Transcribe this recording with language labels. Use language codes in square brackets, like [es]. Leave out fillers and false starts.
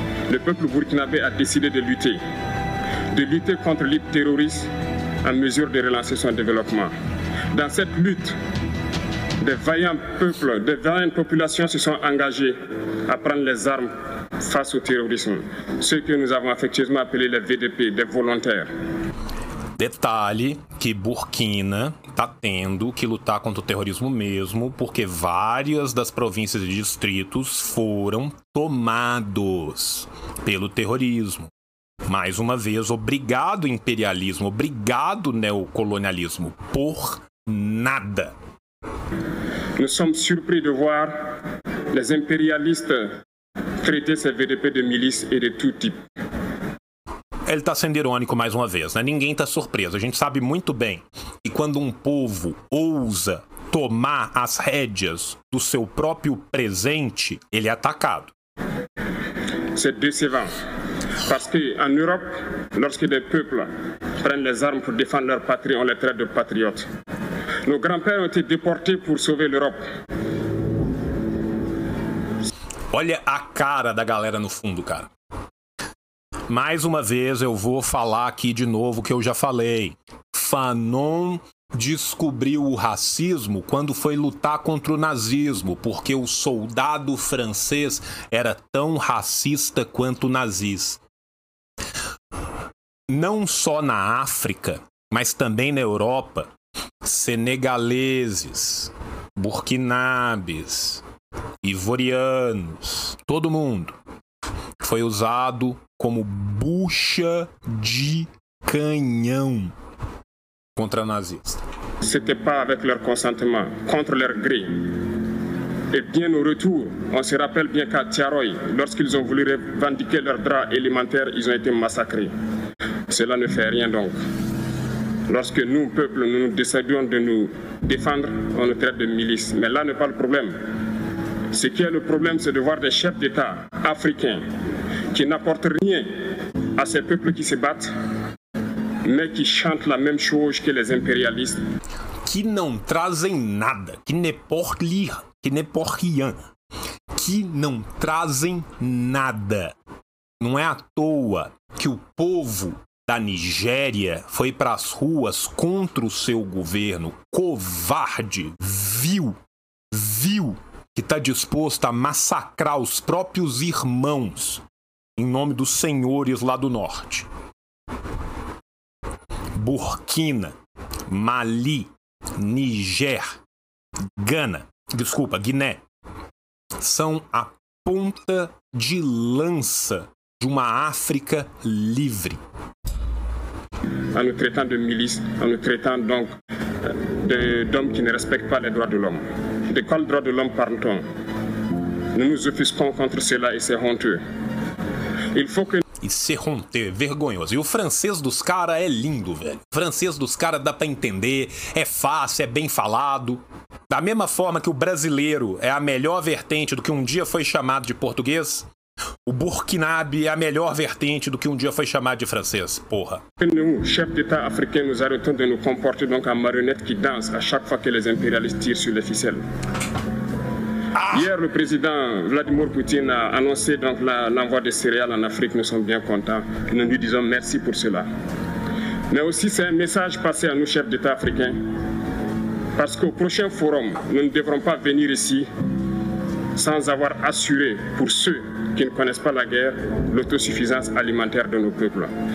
[fr] Le peuple burkinabé a décidé de lutter contre l'hypothèse terroriste en mesure de relancer son développement. Dans cette lutte, des vaillants peuples, des vaillantes populations se sont engagées à prendre les armes face au terrorisme. Ceux que nous avons affectueusement appelés les VDP, des volontaires. [pt] Detalhe que Burkina tá tendo que lutar contra o terrorismo mesmo, porque várias das províncias e distritos foram tomados pelo terrorismo. Mais uma vez, obrigado imperialismo, obrigado neocolonialismo, por nada. [fr] Nous sommes surpris de voir les imperialistas traiter ces VDP de milices et de tout type. [pt] Ele tá sendo irônico mais uma vez, né? Ninguém tá surpreso. A gente sabe muito bem que quando um povo ousa tomar as rédeas do seu próprio presente, ele é atacado. [fr] C'est décevant. Parce que en Europe, lorsque des peuples prennent les armes pour défendre leur patrie, on les traite de patriotes. Nos grands-pères ont été déportés pour sauver l'Europe. [pt] Olha a cara da galera no fundo, cara. Mais uma vez eu vou falar aqui de novo o que eu já falei. Fanon descobriu o racismo quando foi lutar contra o nazismo, porque o soldado francês era tão racista quanto o nazis. Não só na África, mas também na Europa, senegaleses, burkinabes, ivorianos, todo mundo foi usado como bucha de canhão contra nazista. [fr] C'était pas avec leur consentement, contre leur gré. Et bien au retour, on se rappelle bien qu'à Tiaroy, lorsqu'ils ont voulu revendiquer leurs droits élémentaires, ils ont été massacrés. Cela ne fait rien donc. Lorsque nous, peuple, nous décidons de nous défendre, on nous traite de milice. Mais là n'est pas le problème. Ce qui est le problème, c'est de voir des chefs d'État africains qui n'apportent rien à ces peuples qui se battent, mais qui chantent la même chose que les impérialistes. Qui n'en [pt] trazem nada, [fr] qui ne portent rien, qui ne portent rien, qui n'en trazem nada. [pt] Não é à toa que o povo da Nigéria foi para as ruas contra o seu governo, covarde, vil, que está disposto a massacrar os próprios irmãos em nome dos senhores lá do norte. Burkina, Mali, Niger, Ghana, desculpa, Guiné, são a ponta de lança de uma África livre. [fr] En nous traitant de milices, en nous traitant donc d'hommes qui ne respectent pas les droits de l'homme. De quel droit de l'homme parle-t-on? Nous nous offusquons contre cela et c'est honteux. Il faut que... E c'est honteux, vergonhoso. [pt] E o francês dos caras é lindo, velho. O francês dos caras dá pra entender, é fácil, é bem falado. Da mesma forma que o brasileiro é a melhor vertente do que um dia foi chamado de português, o burkinabe é a melhor vertente do que um dia foi chamado de francês, porra. [fr] Nous, chefs d'État africains, nous arrêtons de nous comporter donc en marionnette qui danse à chaque fois que les impérialistes tirent sur les ficelles. Ah. Hier, le président Vladimir Poutine a annoncé donc l'envoi des céréales en Afrique. Nous sommes bien contents. Nous lui disons merci pour cela. Mais aussi, c'est un message passé à nous, chefs d'État africains, parce qu'au prochain forum, nous ne devrons pas venir ici sans avoir assuré pour ceux qui ne connaissent pas la guerre, l'autosuffisance alimentaire de nos peuples.